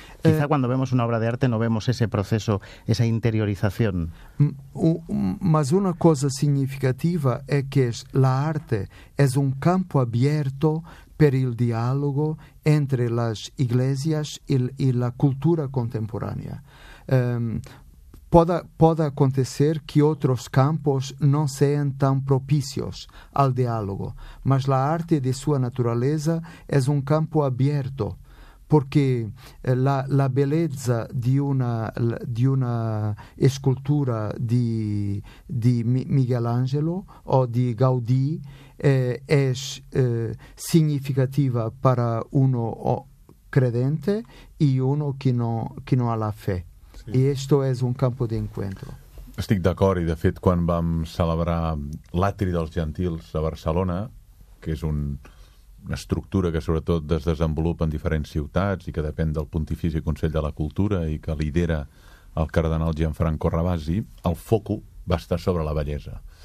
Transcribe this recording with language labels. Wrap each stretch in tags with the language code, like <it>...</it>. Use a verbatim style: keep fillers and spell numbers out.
<es>Quizá eh, cuando vemos una obra de arte no vemos ese proceso, esa interiorización. Mas una cosa significativa es que la arte es un campo abierto para el diálogo entre las iglesias y, y la cultura contemporánea.</es> <pt>Um, Pode, pode acontecer que outros campos não sejam tão propícios ao diálogo, mas a arte de sua natureza é um campo aberto, porque a beleza de uma de uma escultura de de Miguel Ângelo ou de Gaudí é eh, eh, significativa para um credente e um que não que não há la fé.</pt> <es>I esto és un campo d'encuentro.</es> <ca>Estic d'acord, i de fet quan vam celebrar l'Atri dels Gentils a Barcelona, que és un, una estructura que sobretot es desenvolupa en diferents ciutats i que depèn del Pontifici Consell de la Cultura i que lidera el cardenal Gianfranco Ravasi, el foco va estar sobre la bellesa.</ca>